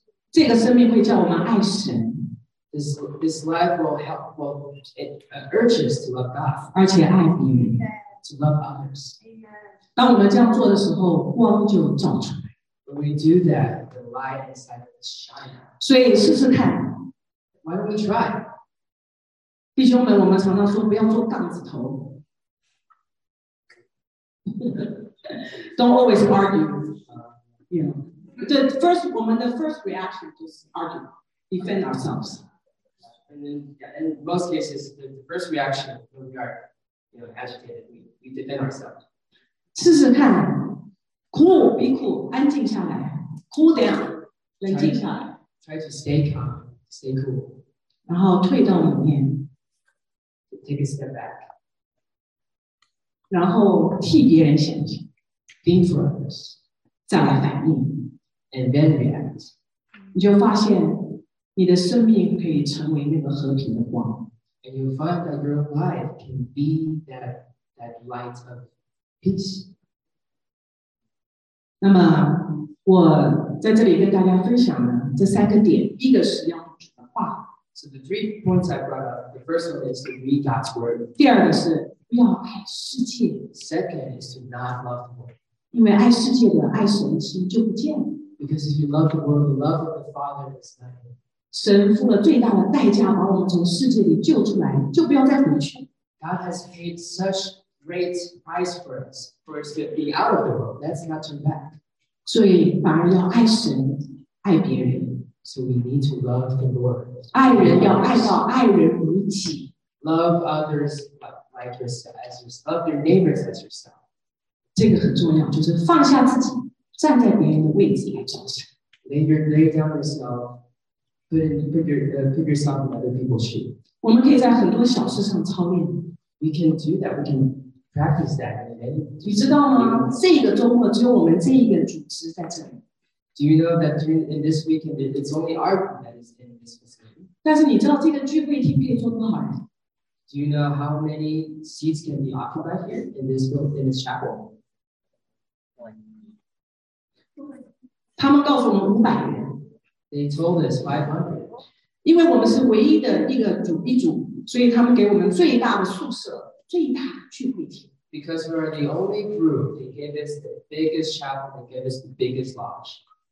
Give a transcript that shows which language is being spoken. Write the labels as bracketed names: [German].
[Chinese] 这个生命会叫我们爱神。 [English] This life will help. Well, it urges to love God, [Chinese] 而且爱别人 [English] to love others. Amen. [Chinese] 当我们这样做的时候，光就照出来 [English] When we do that, the light inside will shine. [Chinese] 所以试试看 [English] Why don't we try? [Chinese] 弟兄们，我们常常说不要做杠子头 [English] Don't always argue. The first reaction is argue, defend ourselves. And in most cases, the first reaction when we are, agitated, we defend ourselves. [Chinese] 试试看 ， [English] cool, be cool, [Chinese] 安静下来 ， [English] cool down, [Chinese] 冷静下来 [English] ，try to stay calm, stay cool. [Chinese] 然后退到里面 [English] ，take a step back. [Chinese] 然后替别人想想 [English] ，think for others. [Chinese] 再来反应 [English] ，and then react. [Chinese] 你就发现。你的生命可以成为那个和平的光 [English] ，and you find that your life can be that light of peace. [Chinese] 那么我在这里跟大家分享呢，这三个点，一个是要主的话 [English] ，so the three points I brought up. The first one is to read God's word. [Chinese] 第二个是不要爱世界 [English] ，second is to not love the world. [Chinese] 因为爱世界的爱神的心就不见了 [English] ，because if you love the world, the love of the Father is not in you. [Chinese] 神付了最大的代价把我们从世界里救出来，就不要再回去。 [English] God has paid such great price for us, for us to be out of the world. Let's not turn back. [Chinese] 所以反而要爱神，爱别人。 [English] So we need to love the Lord. [Chinese] 爱人要爱到爱人如己。 [English] Love others like yourself, as yourself. Love your neighbors as yourself. [Chinese] 这个很重要，就是放下自己，站在别人的位置来做事。 [English] Lay down yourself. Put yourself in other people's shoes. [Chinese] 我们可以在很多小事上操练。 [English] We can do that. We can practice that. [Chinese] 你知道吗？这个周末只有我们这一个组织在这里。 [English] Do you know that during, in this weekend, it's only our group that is in this facility? [Chinese] 但是你知道这个聚会厅可以坐多少人? [English] Do you know how many seats can be occupied here in this chapel? [Chinese] 他们告诉我们500人。 [English] They told us 500. [Chinese] 因为我们是唯一的一个主一组，所以他们给我们最大的宿舍，最大聚会厅。 [English] Because we are the only group, they gave us the biggest chapel, they gave us the biggest lodge.